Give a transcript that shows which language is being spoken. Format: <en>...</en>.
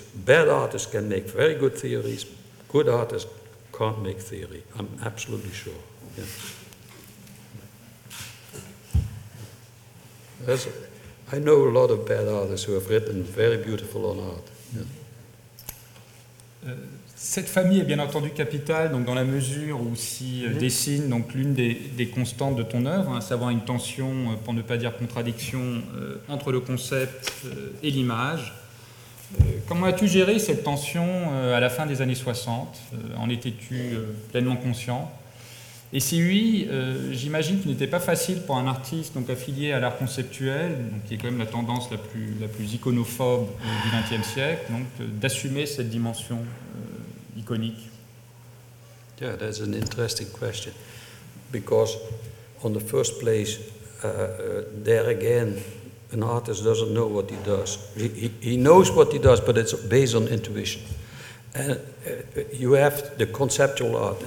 <en>Bad artists can make very good theories. Good artists can't make theory. I'm absolutely sure. Yeah. I know a lot of bad artists who have written very beautiful on art.</en> <fr>Cette famille est bien entendu capitale, donc dans la mesure où s'y dessine donc l'une des constantes de ton œuvre, hein, savoir une tension, pour ne pas dire contradiction, entre le concept et l'image. Comment as-tu géré cette tension à la fin des années 60 ? En étais-tu pleinement conscient ? Et si oui, j'imagine qu'il n'était pas facile pour un artiste donc affilié à l'art conceptuel, donc qui est quand même la tendance la plus iconophobe du XXe siècle, donc d'assumer cette dimension iconique.</fr> <en>Yeah, that's an interesting question, because on the first place, there again, an artist doesn't know what he does. He knows what he does, but it's based on intuition. And you have the conceptual art.</en>